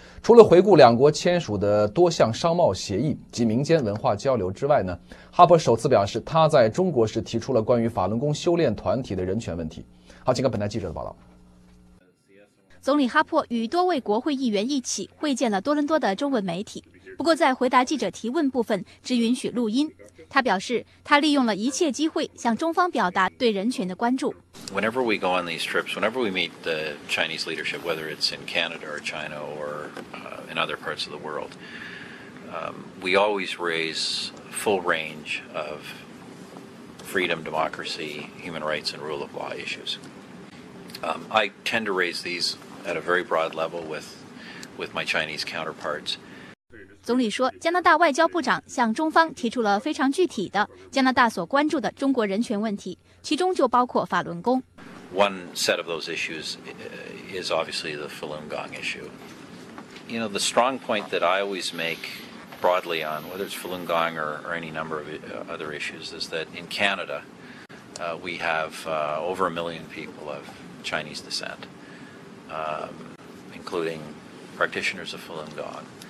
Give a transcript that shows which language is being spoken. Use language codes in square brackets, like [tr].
[zh] 除了回顾两国签署的多项商贸协议及民间文化交流之外呢，哈珀首次表示他在中国时提出了关于法轮功修炼团体的人权问题。好，请看本台记者的报道。总理哈珀与多位国会议员一起会见了多伦多的中文媒体，不过在回答记者提问部分只允许录音。他表示他利用了一切机会向中方表达对人权的关注。 [en] Whenever we go on these trips, whenever we meet the Chinese leadership, whether it's in Canada or China or in other parts of the world, we always raise full range of freedom, democracy, human rights and rule of law issues. I tend to raise these at a very broad level with my Chinese counterparts. [zh] 总理说，加拿大外交部长向中方提出了非常具体的加拿大所关注的中国人权问题，其中就包括法轮功。 [en] One set of those issues is obviously the Falun Gong issue. You know, the strong point that I always make broadly on, whether it's Falun Gong or any number of other issues, is that in Canada, we have over a million people of Chinese descent, including practitioners of Falun Gong.